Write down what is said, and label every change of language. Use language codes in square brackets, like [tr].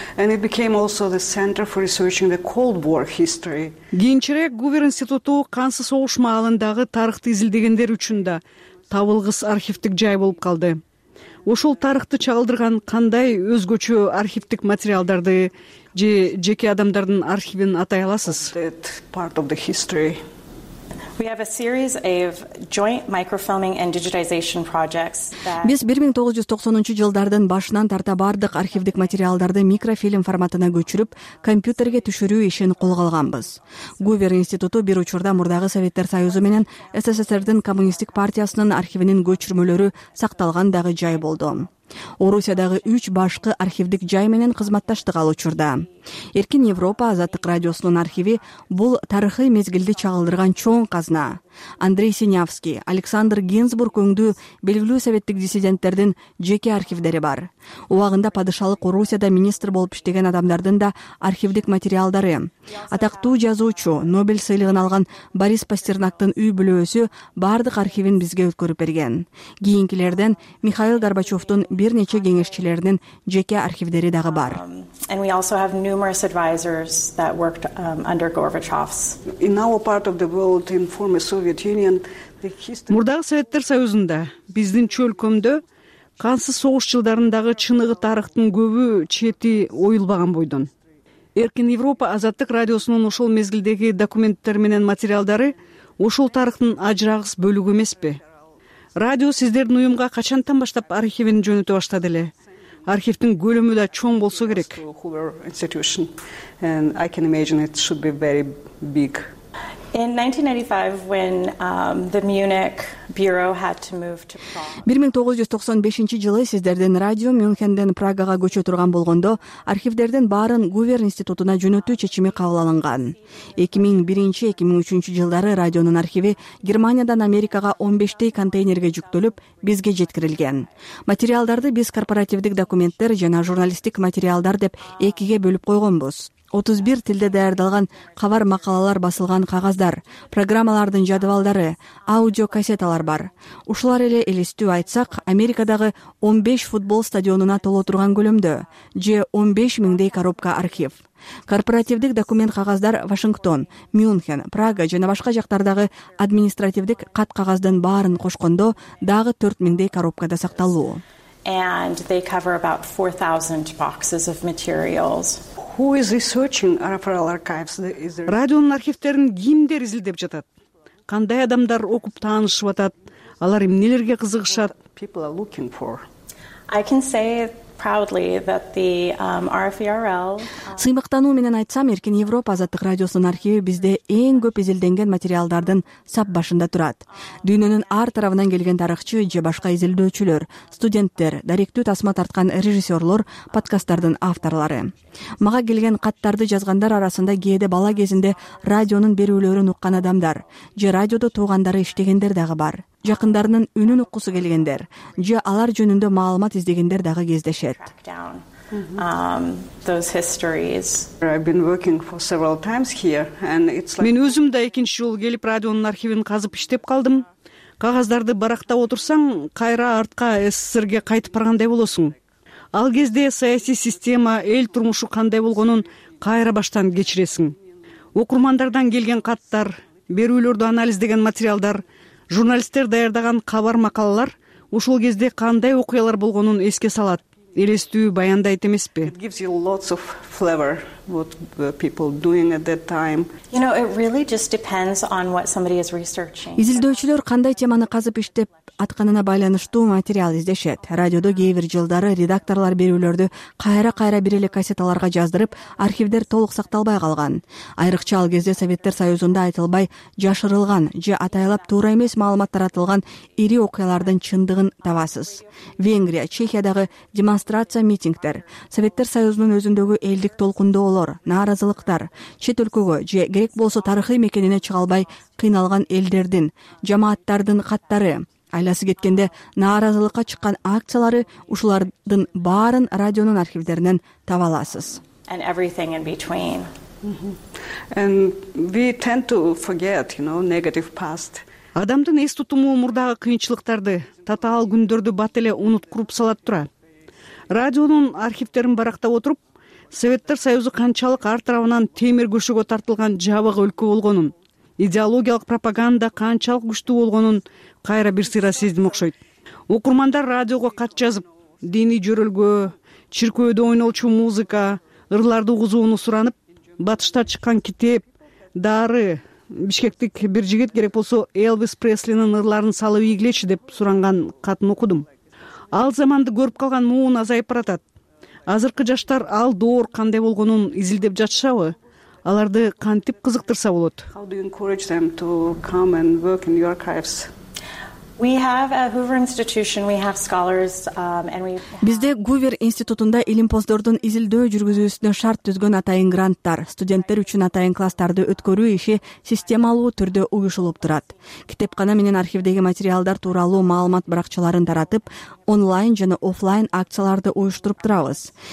[en] And it became also the center for researching the Cold War history. [ky] Кийинчерээк Гувер институту кансыз согуш маалындагы тарыхты изилдегендер үчүн да табылгыс архивтик жай болуп калды. Ошол тарыхты чагылдырган кандай өзгөчө архивтик материалдарды же жеке адамдардын архивин атай аласыз? [en] Part of the history. We have a series of joint microfilming and digitization projects that [ky] Биз 1990-жылдардын башынан тарта бардык архивдик материалдарды микрофильм форматына көчүрүп, компьютерге түшүрүү ишин колго алганбыз. Гувер институту бир учурда мурдагы Советтер Союзу менен СССРдин коммунисттик партиясынын архивинин көчүрмөлөрү сакталган дагы жай болду. Орусиядагы 3 башкы архивдик жай менен кызматташтык ал учурда. Эркин Европа Азаттык радиосунун архиви бул тарыхый мезгилди чагылдырган чоң казна. Андрей Синявский, Александр Гинзбург өңдүү белгилүү советтик диссиденттердин жеке архивдери бар. Убагында падышалык Орусияда министр болуп иштеген адамдардын да архивдик материалдары. Атактуу жазуучу, Нобель сыйлыгын алган Борис Пастернактын үй бүлөсү бардык архивин бизге өткөрүп берген. Кийинкилерден Михаил Горбачевдун бир нече кеңешчилеринин жеке архивдери дагы бар. [en] Numerous advisors that worked under Gorbachev's. In our part of the world, in former Soviet Union, the history. [ky] Мурдагы Советтер Союзунда биздин чөлкөмдө кансыз согуш жылдарындагы чыныгы тарыхтын көбү чети оюлбаган бойдон. Эркин Европа Азаттык радиосунун ошол мезгилдеги документтер менен материалдары ошол тарыхтын ажырагыс бөлүгү эмеспи? Радио сиздердин уюмга качантан баштап архивин жөнөтө баштады эле? архивтин көлөмү да чоң болсо керек. [en] In 1995 when the Munich bureau had to move to Prague. [ky] 1995 жылы сиздердин радио Мюнхендин Прагага көчө турган болгондо, архивдердин баарын Гувер институтуна жөнөтүү чечими кабыл алынган. 2001-2003 жылдары радионун архиви Германиядан Америкага 15 контейнерге жүктөлүп, бизге жеткирилген. Материалдарды биз корпоративдик документтер жана журналистик материалдар деп экиге бөлүп койгонбуз. 31 тилде даярдалган кабар макалалар басылган кагаздар, программалардын жадыбалдары, аудио кассеталар бар. Ушулар эле элестүү айтсак, Америкадагы 15 футбол стадионуна толо турган көлөмдө же 15 миңдей коробка архив. Корпоративдик документ кагаздар Вашингтон, Мюнхен, Прага жана башка жактардагы административдик кат кагаздын баарын кошкондо дагы 4 миңдей коробкада сакталуу. [en] And they cover about 4,000 boxes of materials. Who is researching RFRL archives? [ky] Радионун архивтерин кимдер изилдеп жатат? Кандай адамдар окуп таанышып атат? Алар эмнелерге кызыгышат? [en] People are looking for. I can say proudly that the RFRL. [ky] Сыймыктануу менен айтсам, Эркин Европа Азаттык радиосунун архиви бизде эң көп изилденген материалдардын сап башында турат. Дүйнөнүн ар тарабынан келген тарыхчы же башка изилдөөчүлөр, студенттер, даректүү тасма тарткан режиссерлор, подкасттардын авторлары. Мага келген каттарды жазгандар арасында кээде бала кезинде радионун берүүлөрүн уккан адамдар же радиодо туугандары иштегендер дагы бар. Жакындарынын үнүн уккусу келгендер же алар жөнүндө маалымат издегендер дагы кездешет. [en] Those histories. I've been working for several times here and it's like [ky] мен өзүм да экинчи жолу келип радионун архивин казып иштеп калдым. Кагаздарды барактап отурсаң, кайра артка СССРге кайтып баргандай болосуң. Ал кезде саясий система, эл турмушу кандай болгонун кайра баштан кечиресиң. Окурмандардан келген каттар, берүүлөрдү анализдеген материалдар, журналисттер даярдаган кабар макалалар ушул кезде кандай окуялар болгонун эске салат, элестүү баяндайт эмеспи? [en] It gives you lots of flavor what people doing at that time. You know, it really just depends on what somebody is researching. [ky] Изилдөөчүлөр кандай теманы казып иштеп атканына байланыштуу материал издешет. Радиодо кээ бир жылдары редакторлор берүүлөрдү кайра-кайра бир эле кассеталарга жаздырып, архивдер толук сакталбай калган. Айрыкча ал кезде Советтер Союзунда айтылбай жашырылган же атайлап туура эмес маалымат таратылган ири окуялардын чындыгын табасыз. Венгрия, Чехиядагы демонстрация митингдер, Советтер Союзунун өзүндөгү элдик толкундоолор, нааразылыктар, чет өлкөгө же керек болсо тарыхый мекенине чыга албай кыйналган элдердин, жамааттардын каттары, айласы кеткенде нааразылыкка чыккан акциялары ушулардын баарын радионун архивдеринен таба аласыз. [en] And everything in between. And we tend to forget, you know, negative past. [ky] Адамдын эс тутуму мурдагы кыйынчылыктарды, татаал күндөрдү бат эле унуткуруп салат турат. Радионун архивтерин барактап отуруп, Советтер Союзу канчалык ар тарабынан темир көшөгө тартылган жабык өлкө болгонун, идеологиялык пропаганда канчалык күчтүү болгонун кайра бир сыйра сездим окшойт. Окурмандар радиого кат жазып, диний жөрөлгө, чиркөөдө ойнолчу музыка, ырларды угузууну суранып, батышта чыккан китеп, дары, бишкектик бир жигит керек болсо Элвис Преслинин ырларын салып ийгилечи деп суранган катын окудум. Ал заманды көрүп калган муун азайып баратат. Азыркы жаштар ал доор кандай болгонун изилдеп жатышабы? Аларды кантип кызыктырса болот? [en] How do you encourage them to come and work in your archives? We have a Hoover institution, we have scholars and we [ky] Бизде Гувер институтунда илимпоздордун изилдөө жүргүзүүсүнө шарт түзгөн атайын гранттар, студенттер үчүн атайын класстарды өткөрүү иши системалуу түрдө уюшулуп турат. Китепкана менен архивдеги материалдар тууралуу маалымат баракчаларын таратып, онлайн жана офлайн акцияларды уюштуруп турабыз.